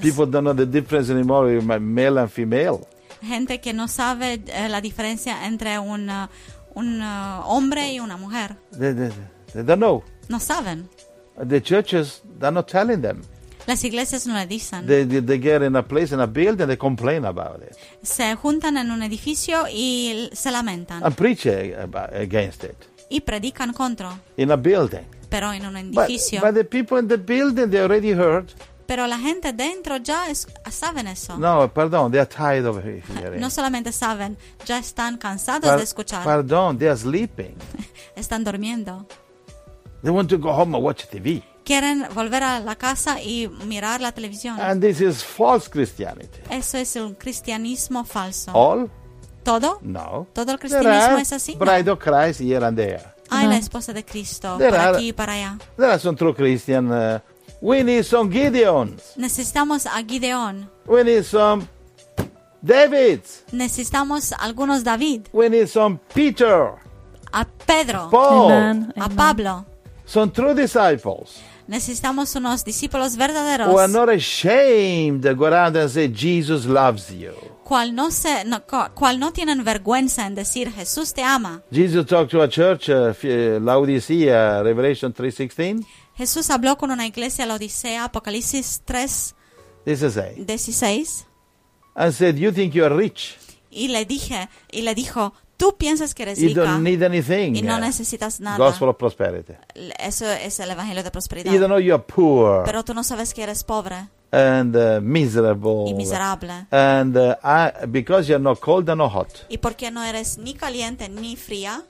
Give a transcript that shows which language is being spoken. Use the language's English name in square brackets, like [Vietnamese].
[English] People don't know the difference anymore between male and female. [Spanish] Gente que no sabe la diferencia entre un hombre y una mujer. [English] They don't know. [Spanish] No saben. [English] The churches are not telling them. [Spanish] Las iglesias no le dicen. [English] They get in a place, in a building, they complain about it. [Spanish] Se juntan en un edificio y se lamentan. [English] And preach against it. [Spanish] Y predican contra. [English] In a building. [Spanish] Pero en un edificio. [English] But the people in the building, they already heard. [Spanish] Pero la gente dentro ya saben eso. No, perdón, [English] they are tired of hearing. [Spanish] No solamente saben, ya están cansados de escuchar. Perdón, [English] they are sleeping. [Spanish] Están durmiendo. [English] They want to go home and watch TV. [Spanish] Quieren volver a la casa y mirar la televisión. [English] And this is false Christianity. [Spanish] Eso es un cristianismo falso. [English] All? [Spanish] ¿Todo? No. ¿Todo el cristianismo es así? [English] Bride of Christ here and there. [Spanish] Hay la esposa de Cristo, por aquí y para allá. [English] There are some true Christian. We need some Gideons. [Spanish] Necesitamos a Gideon. [English] We need some David. [Spanish] Necesitamos algunos David. [English] We need some Peter. [Spanish] A Pedro. [English] Paul. Amen. [Spanish] A Pablo. [English] Some true disciples. [Spanish] Necesitamos unos discípulos verdaderos. [English] Who are not ashamed to go around and say Jesus loves you. [Spanish] Cual no tienen vergüenza en decir Jesús te ama. [English] Jesus talked to a church, Laodicea, Revelation 3:16. [Spanish] Jesús habló con una iglesia Laodicea, Apocalipsis 3:16. [English] And said, "You think you are rich?" [Spanish] Y le dijo. Tú piensas que eres rica. [English] You don't need anything. [Spanish] Y no necesitas nada. [English] Gospel of prosperity. [Spanish] Eso es el evangelio de prosperidad. [English] You don't know you're poor. [Spanish] Pero tú no sabes que eres pobre. [English] And miserable. [Spanish] Y miserable. [English] And because you're not cold and not hot. [Spanish] Y porque no eres ni caliente ni fría.